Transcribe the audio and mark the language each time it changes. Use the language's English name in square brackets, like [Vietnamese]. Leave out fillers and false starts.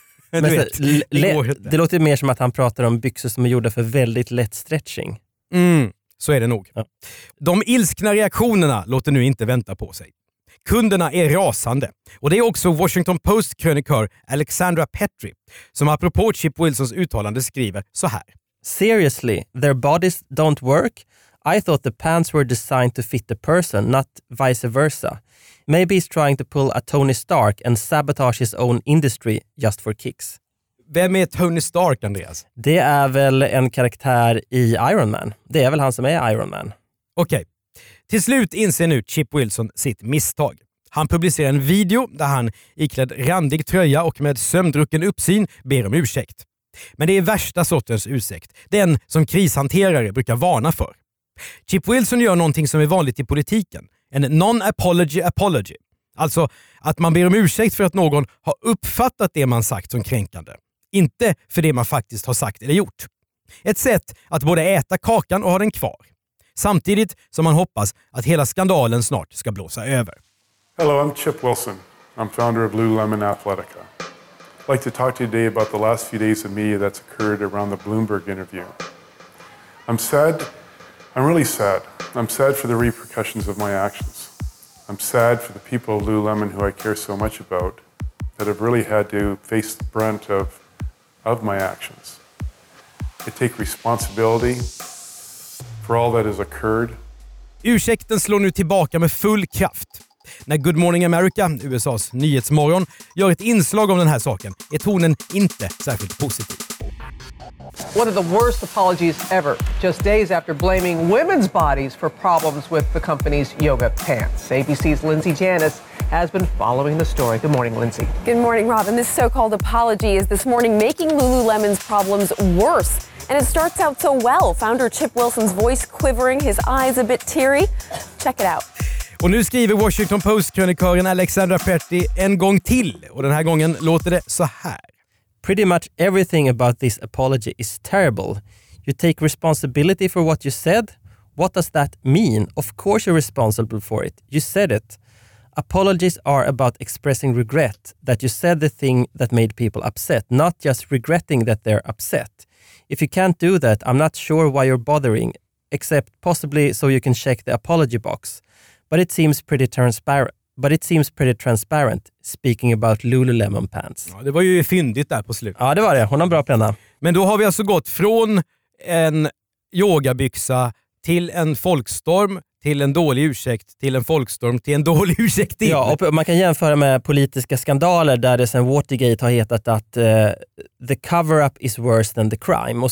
[Swedish] Men vet, det låter mer som att han pratar om byxor som är gjorda för väldigt lätt stretching. Mm, så är det nog. Ja. De ilskna reaktionerna låter nu inte vänta på sig. Kunderna är rasande. Och det är också Washington Post-krönikör Alexandra Petri som apropå Chip Wilsons uttalande skriver så här. [English] Seriously, their bodies don't work? I thought the pants were designed to fit the person, not vice versa. Maybe he's trying to pull a Tony Stark and sabotage his own industry just for kicks. [Swedish] Vem är Tony Stark, Andreas? Det är väl en karaktär i Iron Man. Det är väl han som är Iron Man. Okej. Okay. Till slut inser nu Chip Wilson sitt misstag. Han publicerar en video där han iklädd randig tröja och med sömndrucken uppsyn ber om ursäkt. Men det är värsta sortens ursäkt. Den som krishanterare brukar varna för. Chip Wilson gör någonting som är vanligt i politiken. En non-apology apology. Alltså att man ber om ursäkt för att någon har uppfattat det man sagt som kränkande. Inte för det man faktiskt har sagt eller gjort. Ett sätt att både äta kakan och ha den kvar. Samtidigt som man hoppas att hela skandalen snart ska blåsa över. [English] Hello, I'm Chip Wilson. I'm founder of Lululemon Athletica. I'd like to talk to you today about the last few days of media that's occurred around the Bloomberg interview. I'm sad. I'm really sad. I'm sad for the repercussions of my actions. I'm sad for the people of Lululemon who I care so much about that have really had to face the brunt of my actions. I take responsibility for all that has occurred. [Swedish] Ursäkten slår nu tillbaka med full kraft. När Good Morning America, USA:s nyhetsmorgon, gör ett inslag om den här saken, är tonen inte särskilt positiv. [English] One of the worst apologies ever, just days after blaming women's bodies for problems with the company's yoga pants. ABC's Lindsay Janis has been following the story. Good morning, Lindsay. Good morning, Robin. This so-called apology is this morning making Lululemon's problems worse. And it starts out so well. Founder Chip Wilson's voice quivering, his eyes a bit teary. Check it out. [Swedish] Och nu skriver Washington Post-krönikören Alexandra Petty en gång till. Och den här gången låter det så här. [English] Pretty much everything about this apology is terrible. You take responsibility for what you said? What does that mean? Of course you're responsible for it. You said it. Apologies are about expressing regret that you said the thing that made people upset, not just regretting that they're upset. If you can't do that, I'm not sure why you're bothering, except possibly so you can check the apology box. But it seems pretty transparent. But it seems pretty transparent, speaking about Lululemon pants. [Swedish] Ja, det var ju fyndigt där på slutet. Ja, det var det. Hon har bra penna. Men då har vi alltså gått från en yogabyxa till en folkstorm, till en dålig ursäkt, till en folkstorm, till en dålig ursäkt till. Ja, och man kan jämföra med politiska skandaler där det sen Watergate har hetat att [English] the cover-up is worse than the crime.